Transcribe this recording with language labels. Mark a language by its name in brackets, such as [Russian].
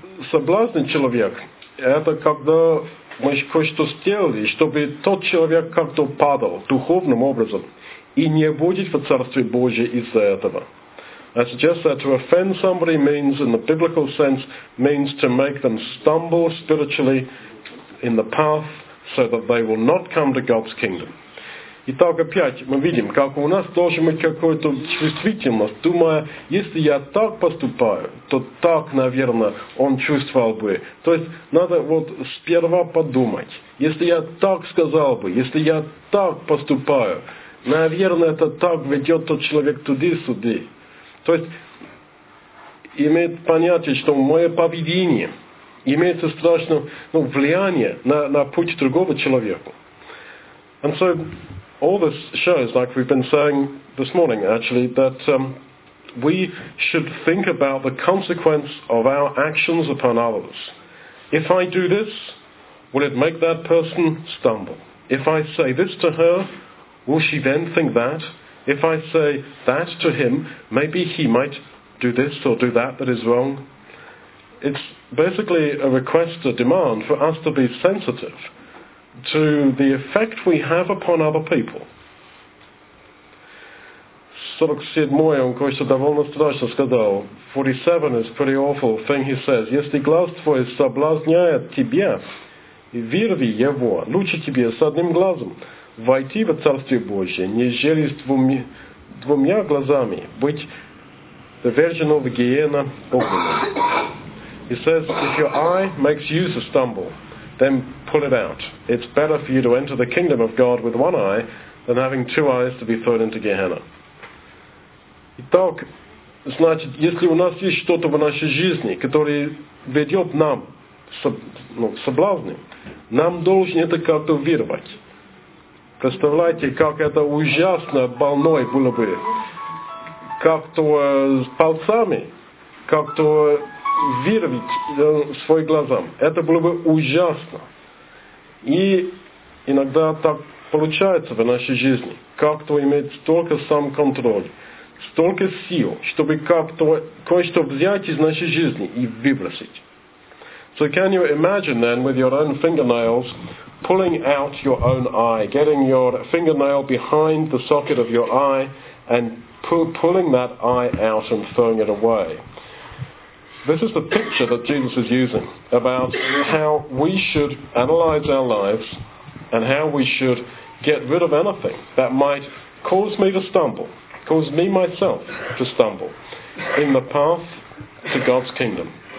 [Russian] Соблазнить человек – это когда мы кое-что сделали, чтобы тот человек как-то падал духовным образом и не будет в Царстве Божьем из-за этого. [English] I suggest that to offend somebody means, in the biblical sense, means to make them stumble spiritually in the path so that they will not come to God's kingdom. [Russian] Итак, опять мы видим, как у нас должен быть какой-то чувствительность, думая, если я так поступаю, то так, наверное, он чувствовал бы. То есть надо вот сперва подумать, если я так сказал бы, если я так поступаю, наверное, это так ведет тот человек туда-сюда. То есть имеет понятие, что мое поведение имеется страшное влияние на путь другого человека. [English] And so all this shows, like we've been saying this morning actually, that we should think about the consequence of our actions upon others. If I do this, will it make that person stumble? If I say this to her, will she then think that? If I say that to him, maybe he might do this or do that is wrong. It's basically a request, a demand for us to be sensitive to the effect we have upon other people. [Russian] 47-й, он кое-что довольно страшно сказал. [English] 47 is a pretty awful thing he says. [Russian] Если глаз твой соблазняет тебя, вырви его, лучше тебе с одним глазом войти в Царствие Божие, нежели с двумя глазами быть the virgin of Gehenna огненной. [English] He says, if your eye makes you to stumble, then pull it out. It's better for you to enter the kingdom of God with one eye than having two eyes to be thrown into Gehenna. [Russian] Итак, значит, если у нас есть что-то в нашей жизни, которое ведет нам соблазны, нам должен это как-то вырвать. Представляете, как это ужасно больное было бы. Как-то с пальцами, как-то вырвать свои глаза. Это было бы ужасно. И иногда так получается в нашей жизни. Как-то иметь столько самоконтроля, столько сил, чтобы как-то кое-что взять из нашей жизни и выбросить. [English] So can you imagine then with your own fingernails pulling out your own eye, getting your fingernail behind the socket of your eye and pulling that eye out and throwing it away? this is the picture that Jesus is using about how we should analyze our lives and how we should get rid of anything that might cause me to stumble, cause me myself to stumble in the path to God's kingdom.